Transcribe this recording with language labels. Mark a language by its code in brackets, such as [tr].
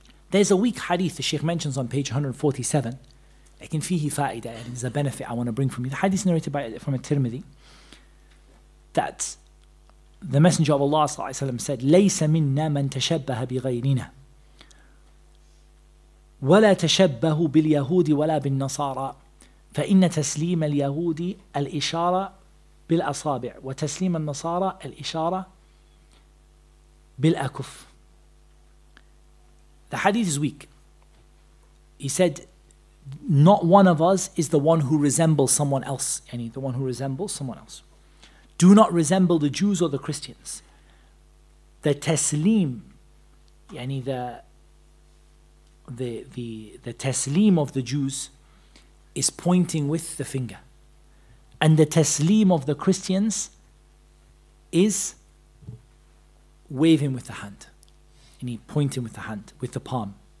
[en] There's a weak hadith the Shaykh mentions on page 147. It [ar] can fihi fa'ida. [en] It is a benefit I want to bring from you. The hadith narrated by from a Tirmidhi that the Messenger of Allah sallallahu alaihi wasallam said, [ar] "Laysa minna man tashabbaha bi ghayrina." ولا تشبه باليهود ولا بالنصارى فإن تسليم اليهود الإشارة بالأصابع وتسليم النصارى الإشارة بالأكف. [en] The hadith is weak. He said, not one of us is the one who resembles someone else. Any, the one who resembles someone else. Do not resemble the Jews or the Christians. The تسليم, يعني the taslim of the Jews is pointing with the finger, and the taslim of the Christians is waving with the hand, and he pointing with the hand, with the palm.